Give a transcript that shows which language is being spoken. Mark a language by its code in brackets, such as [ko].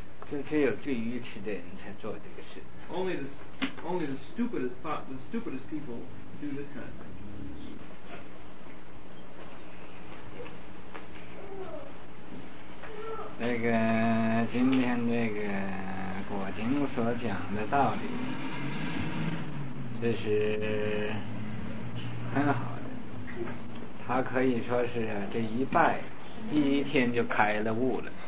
[zh] 这只有最愚痴的人才做这个事。 [en] Only the stupidest people do this kind of thing. [zh] 那个今天这个果亭所讲的道理，这是很好的。他可以说是这一拜第一天就开了悟了。